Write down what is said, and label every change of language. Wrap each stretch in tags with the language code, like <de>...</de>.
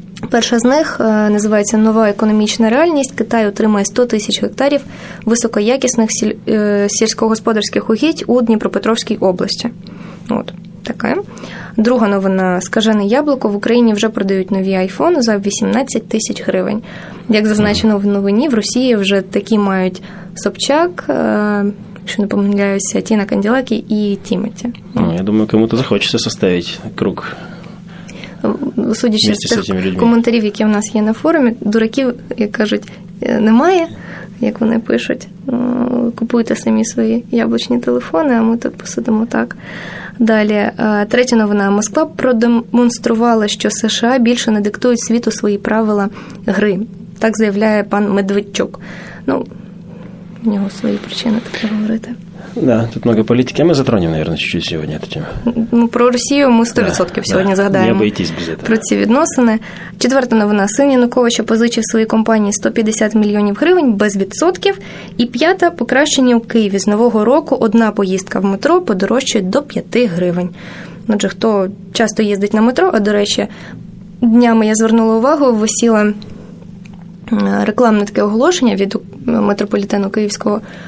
<uk>Перша з них називається «Нова економічна реальність. Китай отримає 100 тисяч гектарів високоякісних сільськогосподарських угідь у Дніпропетровській області». От, така. Друга новина «Скажене яблуко. В Україні вже продають нові айфони за 18 тисяч гривень». Як зазначено в новині, в Росії вже такі мають Собчак, якщо не помиляюся, Тіна Канділакі і Тімоті.</uk> <ru>Я думаю, кому-то захочеться составити круг.</ru> <uk>Судячи з тих коментарів, які в нас є на форумі, дураків, як кажуть, немає, як вони пишуть, купуйте самі свої яблучні телефони, а ми тут посидимо так. Далі, третя новина. Москва продемонструвала, що США більше не диктують світу свої правила гри. Так заявляє пан Медведчук. Ну, у нього свої причини так говорити.</uk> <ru>Да, тут много политики. А мы затронем, наверное, чуть-чуть сегодня эту тему. Ну, про Россию мы 100% сегодня загадаем. Не обойтись без этого.</ru> <uk>Про ці відносини. Четверта новина. Син Януковича позичив своїй компанії 150 мільйонів гривень без відсотків. І п'ята – покращення у Києві. З нового року одна поїздка в метро подорожчує до 5 гривень. Отже, хто часто їздить на метро, а, до речі, днями я звернула увагу, висіла рекламне таке оголошення від метрополітену київського.</uk>